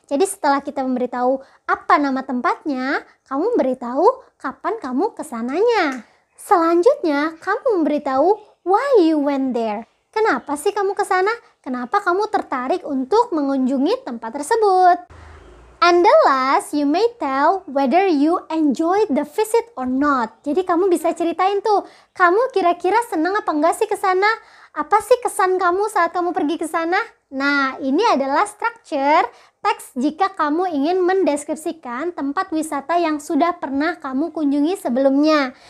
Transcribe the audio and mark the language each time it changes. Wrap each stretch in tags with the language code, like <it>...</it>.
<id>Jadi setelah kita memberitahu apa nama tempatnya, kamu memberitahu kapan kamu ke sananya. Selanjutnya kamu memberitahu</id> <en>why you went there.</en> <id>Kenapa sih kamu ke sana? Kenapa kamu tertarik untuk mengunjungi tempat tersebut?</id> <en>And the last, you may tell whether you enjoyed the visit or not.</en> <id>Jadi kamu bisa ceritain tuh, kamu kira-kira senang apa enggak sih ke sana? Apa sih kesan kamu saat kamu pergi ke sana? Nah, ini adalah structure teks jika kamu ingin mendeskripsikan tempat wisata yang sudah pernah kamu kunjungi sebelumnya.</id>